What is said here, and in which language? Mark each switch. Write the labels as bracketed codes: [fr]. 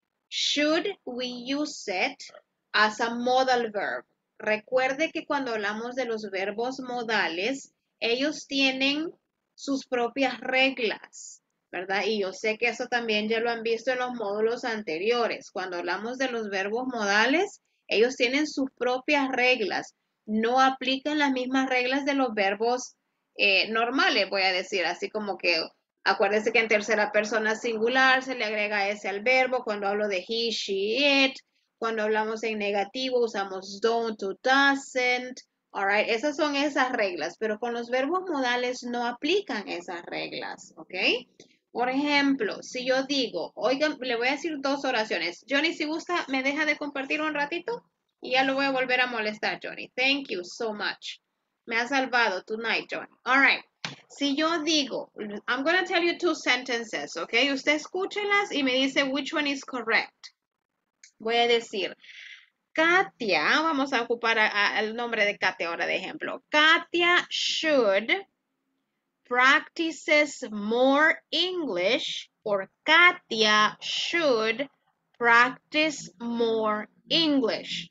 [en] Should we use it as a modal verb? [es] Recuerde que cuando hablamos de los verbos modales, ellos tienen sus propias reglas, ¿verdad? Y yo sé que eso también ya lo han visto en los módulos anteriores. Cuando hablamos de los verbos modales, ellos tienen sus propias reglas. No aplican las mismas reglas de los verbos normales, voy a decir, así como que, acuérdense que en tercera persona singular se le agrega ese al verbo. Cuando hablo de he, she, it, cuando hablamos en negativo usamos don't o doesn't. All right, esas son esas reglas, pero con los verbos modales no aplican esas reglas, ¿ok? Por ejemplo, si yo digo, oigan, le voy a decir dos oraciones. Johnny, si gusta, ¿me deja de compartir un ratito? Y ya lo voy a volver a molestar, Johnny. [en] Thank you so much. [es] Me ha salvado [en] tonight, Johnny. All right, [es] si yo digo, [en] I'm going to tell you two sentences, ¿ok? [es] Usted escúchelas y me dice [en] which one is correct. [es] Voy a decir, Katia, vamos a ocupar el nombre de Katia ahora de ejemplo. [en] Katia should practices more English, or Katia should practice more English.